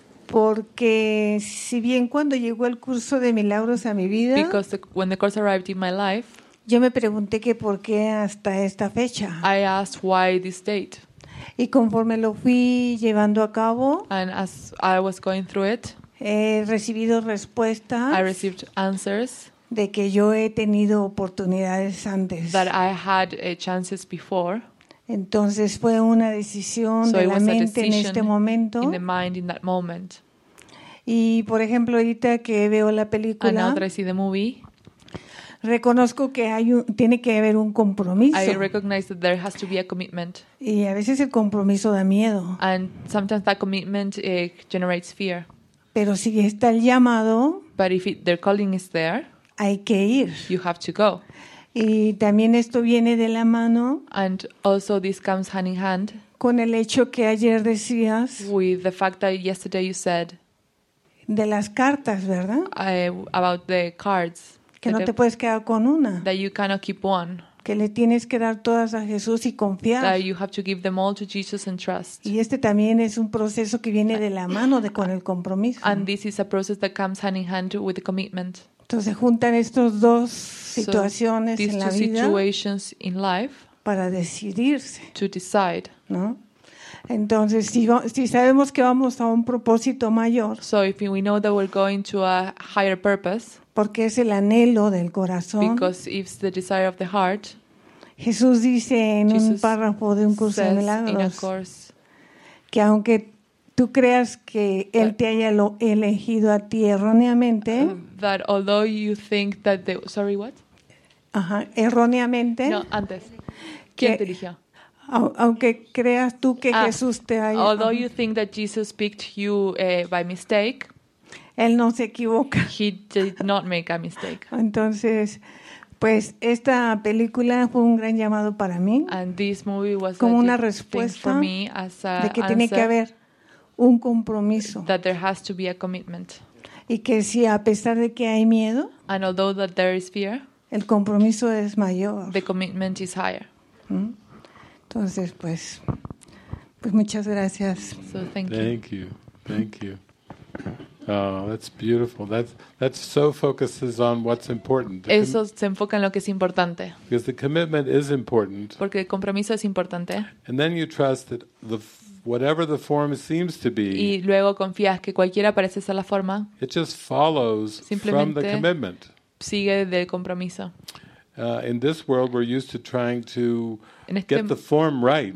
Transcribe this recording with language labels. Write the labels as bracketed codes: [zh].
[es] Porque si bien cuando llegó el curso de milagros a mi vida, [en] because when the course arrived in my life, [es] yo me pregunté que por qué hasta esta fecha. [en] I asked why this date. [es] Y conforme lo fui llevando a cabo, [en] and as I was going through it, [es] he recibido respuestas. [en] I received answers. [es] De que yo he tenido oportunidades antes. [en] That I had chances before. [es] Entonces fue una decisión [en] so [es] de la mente en este momento. [en] In the mind in that moment. [es] Y por ejemplo ahorita que veo la película. [en] And now that I see the movie. [es] Reconozco que tiene que haber un compromiso. [en] I recognize that there has to be a commitment. [es] Y a veces el compromiso da miedo. [en] And sometimes that commitment generates fear. [es] Pero si está el llamado. [en] But if their calling is there. [es] Hay que ir. [en] You have to go. [es] Y también esto viene de la mano. [en] And also this comes hand in hand. [es] Con el hecho que ayer decías. [en] With the fact that yesterday you said. [es] De las cartas, ¿verdad? [en] About the cards. [es] Que no te puedes quedar con una. [en] That you cannot keep one. [es] Que le tienes que dar todas a Jesús y confiar. [en] That you have to give them all to Jesus and trust. [es] Y este también es un proceso que viene de la mano de con el compromiso. [en] And this is a process that comes hand in hand with the commitment. [es] Entonces juntan estos dos situaciones [en] so, [es] en la vida [en] situations in life [es] para decidirse. [en] To decide. [es] ¿No? Entonces si sabemos que vamos a un propósito mayor. [en] So if we know that we're going to a higher purpose. [es] Porque es el anhelo del corazón. [en] Because it's the desire of the heart. [es] Jesús dice en un párrafo de un curso de milagros. [en] In a course, [es] que aunque tú creas que él te haya elegido a ti erróneamente. [en] That although you think that the sorry what? [es] Uh-huh, erróneamente. No, antes. ¿Quién te eligió? Aunque creas tú que Jesús te haya. [en] Although you think that Jesus picked you by mistake. [es] Él no se equivoca. [en] He did not make a mistake. [es] Entonces, Pues esta película fue un gran llamado para mí. [en] And this movie was [es] como una respuesta [en] for me as a [es] de que tiene que haber un compromiso. [en] That there has to be a commitment. [es] Y que si a pesar de que hay miedo, [en] and although that there is fear, [es] el compromiso es mayor. [en] The commitment is higher. [es] Entonces, pues muchas gracias. [en] So thank you. Thank you. Thank you. Oh, that's beautiful. That so focuses on what's important. [es] Eso se enfoca en lo que es importante. [en] Because the commitment is important. [es] Porque el compromiso es importante. [en] And then you trust that whatever the form seems to be. [es] Y luego confías que cualquiera parece ser la forma. [en] It just follows from the commitment. [es] Sigue del compromiso. [en] In this world, we're used to trying to get the form right.